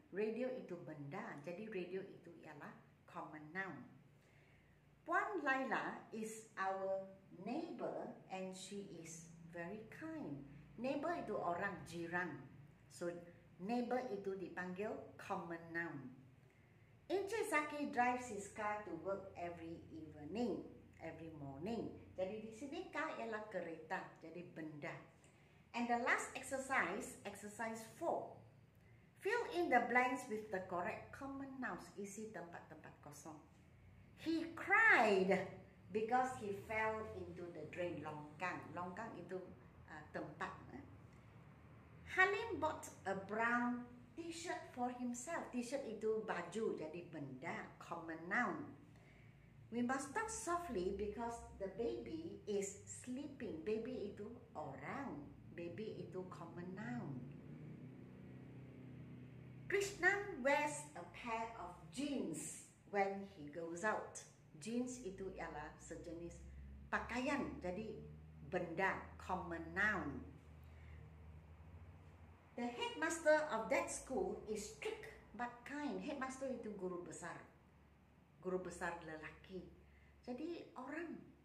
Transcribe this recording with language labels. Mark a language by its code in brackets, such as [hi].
[ms] Radio itu benda, jadi radio itu ialah common noun. [en] Puan Lila is our neighbor and she is very kind. [ms] Neighbor itu orang, jiran. So neighbor itu dipanggil common noun. [en] Inche Saki drives his car to work every evening, every morning. [ms] Jadi di sini car ialah kereta, jadi benda. [en] And the last exercise, exercise 4. Fill in the blanks with the correct common nouns. [ms] Isi tempat-tempat kosong. [en] He cried because he fell into the drain. [ms] Longkang. Longkang itu tempat. [en] Halim bought a brown T-shirt for himself. [ms] T-shirt itu baju, jadi benda, common noun. [en] We must talk softly because the baby is sleeping. [ms] Baby itu orang. Baby itu common noun. [en] Krishna wears a pair of jeans when he goes out. [ms] Jeans itu ialah sejenis pakaian, jadi benda, common noun. [en] The headmaster of that school is strict but kind. [ms] Headmaster itu guru besar. Guru besar lelaki. Jadi orang.